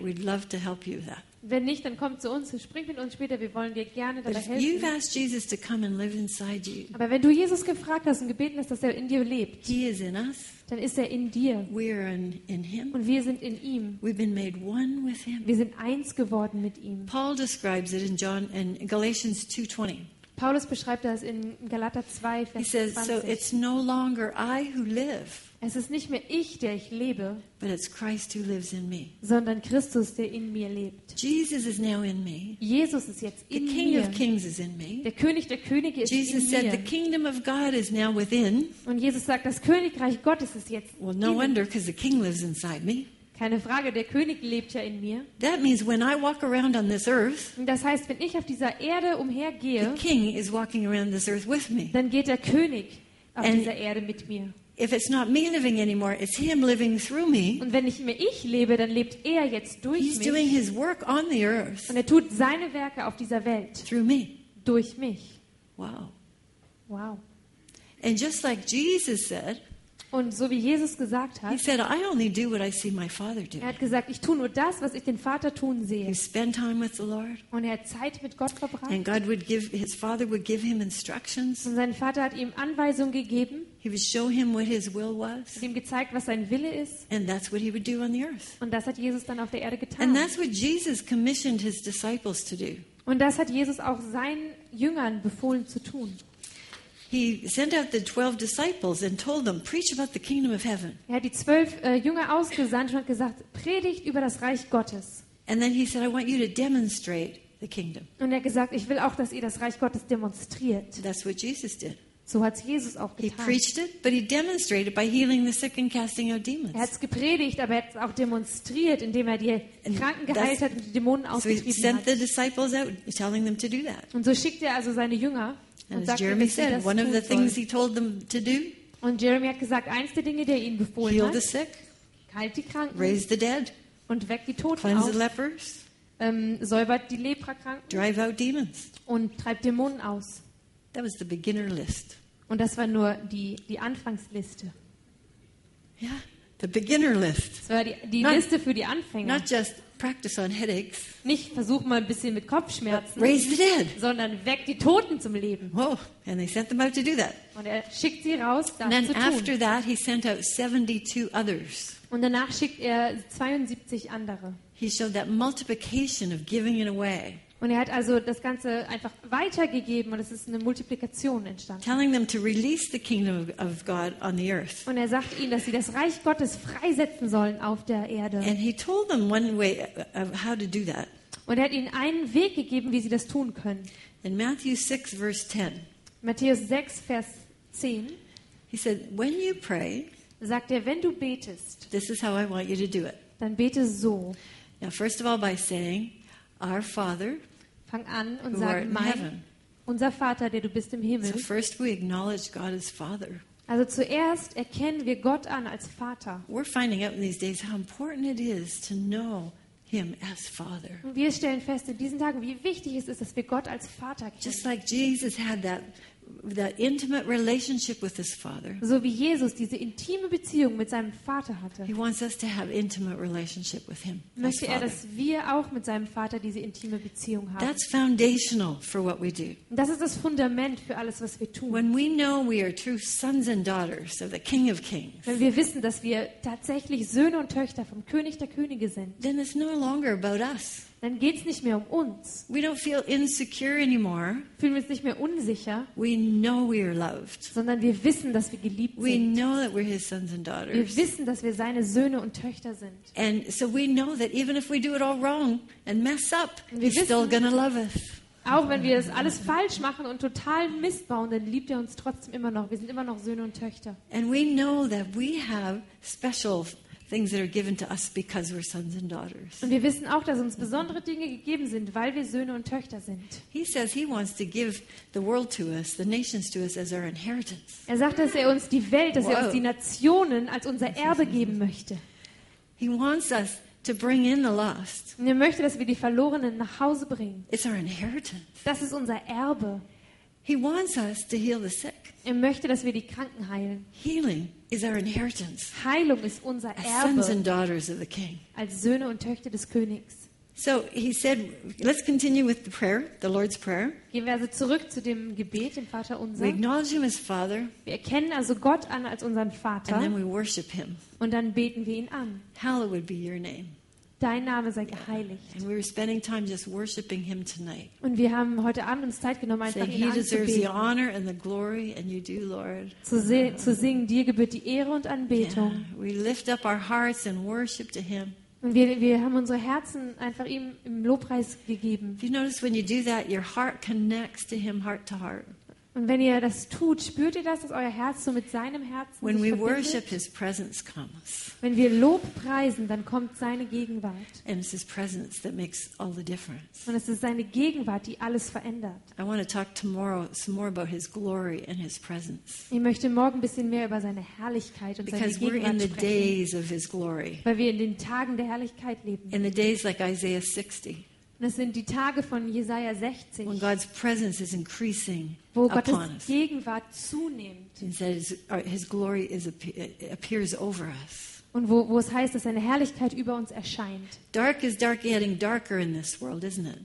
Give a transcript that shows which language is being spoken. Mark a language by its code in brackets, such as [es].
[en] We'd love to help you with that. [de] Wenn nicht, dann komm zu uns und sprich mit uns später. Wir wollen dir gerne dabei helfen. [en] But you've asked Jesus to come and live inside you. [de] Aber wenn du Jesus gefragt hast und gebeten hast, dass er in dir lebt, [en] he is in us. [de] Dann ist er in dir. [en] We are in him. [de] Und wir sind in ihm. [en] We've been made one with him. [de] Wir sind eins geworden mit ihm. [en] Paul describes it in John in Galatians 2:20. [de] Paulus beschreibt das in Galater 2, Vers 20. [en] He says, so it's no longer I who live. [de] Es ist nicht mehr ich, der ich lebe, [en] but it's Christ who lives in me. [de] Sondern Christus, der in mir lebt. [en] Jesus is now in me. [de] Jesus ist jetzt in mir. [en] The King of Kings is in me. [de] Der König der Könige ist [en] Jesus [de] in mir. [en] Jesus said, the kingdom of God is now within. [de] Und Jesus sagt, das Königreich Gottes ist jetzt in mir. [en] Well, no wonder, because the King lives inside me. [de] Keine Frage, der König lebt ja in mir. [en] That means when I walk around on this earth, [de] das heißt, wenn ich auf dieser Erde umhergehe, [en] the King is walking around this earth with me. [de] Dann geht der König auf and dieser Erde mit mir. [en] If it's not me living anymore, it's him living through me. [de] Und wenn nicht mehr ich lebe, dann lebt er jetzt durch [en] He's [de] mich. [en] Doing his work on the earth. [de] Und er tut seine Werke auf dieser Welt. [en] Through me. [de] Durch mich. [en] Wow. [de] Wow. [en] And just like Jesus said, [de] und so wie Jesus gesagt hat, [en] he said, I only do what I see my father do. [de] Er hat gesagt, ich tue nur das, was ich den Vater tun sehe. [en] He spent time with the Lord. [de] Und er hat Zeit mit Gott verbracht. [en] And God would give, his father would give him instructions. [de] Und sein Vater hat ihm Anweisungen gegeben. [en] He would show him what his will was. [de] Hat ihm gezeigt, was sein Wille ist. [en] And that's what he would do on the earth. [de] Und das hat Jesus dann auf der Erde getan. [en] And that's what Jesus commissioned his disciples to do. [de] Und das hat Jesus auch seinen Jüngern befohlen zu tun. [en] He sent out the 12 disciples and told them, "Preach about the kingdom of heaven." [de] Er hat die 12 Jünger ausgesandt und hat gesagt, predigt über das Reich Gottes. [en] And then he said, "I want you to demonstrate the kingdom." [de] Und er hat gesagt, ich will auch, dass ihr das Reich Gottes demonstriert. [en] That's what Jesus did. [de] So hat's Jesus auch getan. [en] He preached it, but he demonstrated by healing the sick and casting out demons. [de] Er hat's gepredigt, aber er hat's auch demonstriert, indem er die Kranken geheilt hat und die Dämonen ausgetrieben hat. [en] So he sent the disciples out, telling them to do that. [de] Und so schickt er also seine Jünger. [en] And as Jeremy said, one of the things he told them to do. [de] Und Jeremy hat gesagt, eins der Dinge, die er ihnen befohlen [en] heal [de] hat, [en] the sick, [de] heilt die Kranken, [en] raise the dead, [de] und weckt die Toten [en] cleanse [de] auf, [en] the lepers, [de] säubert die Leprakranken, [en] drive out demons, [de] und treibt Dämonen aus. [en] That was the beginner list. [de] Und das war nur die Anfangsliste. Ja, [en] yeah, the beginner list. [de] Das war die Liste für die Anfänger. [en] Not just practice on headaches. [de] Nicht versuch mal ein bisschen mit Kopfschmerzen. [en] Raise the dead. [de] Sondern weck die Toten zum Leben. [en] Whoa, and they sent them out to do that. [de] Und er schickt sie raus, das [en] then [de] zu tun. [en] After that he sent out 72 others. [de] Und danach schickt er 72 andere. [en] He showed that multiplication of giving it away. [de] Und er hat also das Ganze einfach weitergegeben und es ist eine Multiplikation entstanden. [en] Telling them to release the kingdom of God on the earth. [de] Und er sagt ihnen, dass sie das Reich Gottes freisetzen sollen auf der Erde. [en] And he told them one way of how to do that. [de] Und er hat ihnen einen Weg gegeben, wie sie das tun können. [en] In Matthew 6, verse 10. [de] Matthäus 6, Vers 10. [en] He said, when you pray, [de] sagt er, wenn du betest, [en] this is how I want you to do it. [de] Dann bete so. [en] Now, first of all, by saying, Our Father, [de] fang an und sag mein, unser Vater, der du bist im Himmel. [en] So first we acknowledge God as Father. [de] Also zuerst erkennen wir Gott an als Vater. [en] We're finding out in these days how important it is to know him as Father. [de] Und wir stellen fest in diesen Tagen, wie wichtig es ist, dass wir Gott als Vater kennen. [en] Just like Jesus had that intimate relationship with his Father. [de] So wie Jesus diese intime Beziehung mit seinem Vater hatte. [en] He wants us to have intimate relationship with him. [de] Möchte er, dass wir auch mit seinem Vater diese intime Beziehung haben. [en] That's foundational for what we do. [de] Das ist das Fundament für alles, was wir tun. [en] When we know we are true sons and daughters of the King of Kings. [de] Wenn wir wissen, dass wir tatsächlich Söhne und Töchter vom König der Könige sind. [en] Then it's no longer about us. [de] Dann geht's nicht mehr um uns. [en] We don't feel insecure anymore. [de] Fühlen wir uns nicht mehr unsicher. [en] We know we are loved. [de] Sondern wir wissen, dass wir geliebt [en] we [de] sind. [en] We know that we're his sons and daughters. [de] Wir wissen, dass wir seine Söhne und Töchter sind. [en] And so we know that even if we do it all wrong and mess up, he's still gonna love us. [de] Auch wenn wir es alles falsch machen und total Mist bauen, dann liebt er uns trotzdem immer noch. Wir sind immer noch Söhne und Töchter. [en] And we know that we have special things that are given to us because we're sons and daughters. [de] Und wir wissen auch, dass uns besondere Dinge gegeben sind, weil wir Söhne und Töchter sind. [en] He says he wants to give the world to us, the nations to us as our inheritance. [de] Er sagt, dass er uns die Welt, dass Whoa. Er uns die Nationen als unser Erbe geben möchte. [en] He wants us to bring in the lost. [de] Und er möchte, dass wir die Verlorenen nach Hause bringen. [en] It's our inheritance. [de] Das ist unser Erbe. [en] He wants us to heal the sick. [de] Er möchte, dass wir die Kranken heilen. [en] Healing is our inheritance. [de] Heilung ist unser Erbe. [en] As sons and daughters of the king. [de] Als Söhne und Töchter des Königs. [en] So he said, let's continue with the prayer, the Lord's prayer. [de] Gehen wir also zurück zu dem Gebet, dem Vater unser. [en] We acknowledge him as Father. [de] Wir erkennen also Gott an als unseren Vater. [en] And then we worship him. [de] Und dann beten wir ihn an. [en] Hallowed be your name. [de] Dein Name sei geheiligt. [en] And we were spending time just worshiping him tonight. [de] Und wir haben heute Abend uns Zeit genommen, einfach ihn anzubeten. [en] He deserves the honor and the glory, and you do, Lord. [de] Zu singen, dir gebührt die Ehre und Anbetung. [en] Yeah. We lift up our hearts and worship to him. [de] Und wir haben unsere Herzen einfach ihm im Lobpreis gegeben. [en] You notice when you do that, your heart connects to him heart to heart. [de] Und wenn ihr das tut, spürt ihr das, dass euer Herz so mit seinem Herzen [en] when [de] sich [en] we [de] verbindet? [en] Worship, his presence comes. [de] Wenn wir Lob preisen, dann kommt seine Gegenwart. [en] And it's his presence that makes all the difference. [de] Und es ist seine Gegenwart, die alles verändert. [en] I want to talk tomorrow some more about his glory and his presence. [de] Ich möchte morgen ein bisschen mehr über seine Herrlichkeit und [en] because [de] seine Gegenwart [en] we're in the [de] sprechen. [en] Days of his glory. [de] Weil wir in den Tagen der Herrlichkeit leben. [en] In the days like Isaiah 60. [de] Das sind die Tage von Jesaja 60. [en] When God's presence is increasing [de] wo Gottes [en] upon us. [de] Gegenwart zunimmt. [en] He says his glory is appears over us. [de] Und wo es heißt, dass seine Herrlichkeit über uns erscheint. [en] Dark is dark getting darker in this world, isn't it?